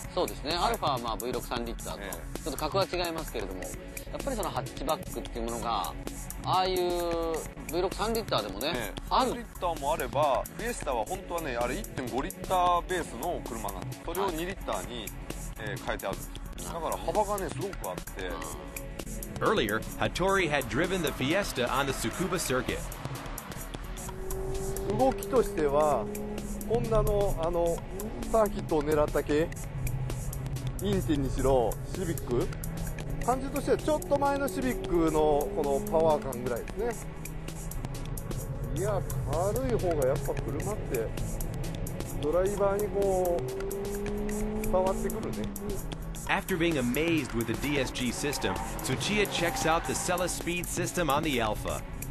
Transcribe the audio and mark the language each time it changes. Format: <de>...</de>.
<ja>そうですね、はい、アルファはまあ V6 3リッターと、ちょっと格は違いますけれども、やっぱりそのハッチバックっていうものがああいう V6 3リッターでもね、 3リッターもあれば、フィエスタは本当はねあれ 1.5 リッターベースの車なんです。それを2リッターに、はい、変えてあるんです。だから幅がねすごくあって、</ja> <en>Earlier, Hattori had driven the Fiesta on the Tsukuba circuit.</en> <ja>動きとしてはホンダのあのサーキットを狙った系、インティにしろシビック、感じとしてはちょっと前のシビックのこのパワー感ぐらいですね。いや軽い方がやっぱ車ってドライバーにこう伝わってくるね。</ja> <en>After being amazed with the DSG system, Tsuchiya checks out the Celus speed system on the Alpha.</en>